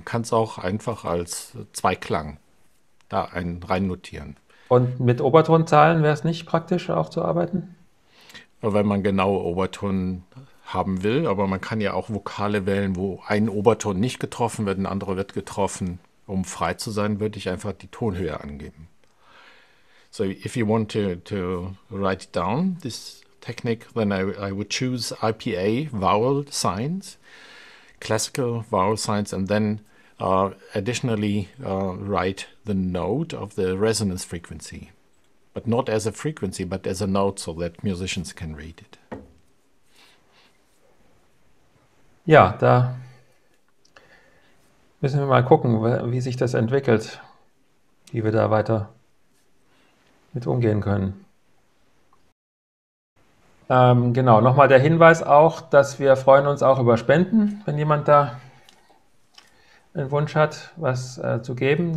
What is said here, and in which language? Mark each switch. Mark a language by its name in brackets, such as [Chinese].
[German] Man kann es auch einfach als Zweiklang da rein notieren. Und mit Obertonzahlen wäre es nicht praktisch, auch zu arbeiten? Wenn man genaue Obertonen haben will, aber man kann ja auch Vokale wählen, wo ein Oberton nicht getroffen wird, ein anderer wird getroffen. Um frei zu sein, würde ich einfach die Tonhöhe angeben. [English] So if you want to write down this technique, then I would choose IPA vowel signs, classical vowel signs, and then additionally write the note of the resonance frequency. But not as a frequency, but as a note so that musicians can read it. [German] Ja, da müssen wir mal gucken, wie sich das entwickelt, wie wir da weiter mit umgehen können. Genau, nochmal der Hinweis auch, dass wir freuen uns auch über Spenden, wenn jemand da einen Wunsch hat, was zu geben.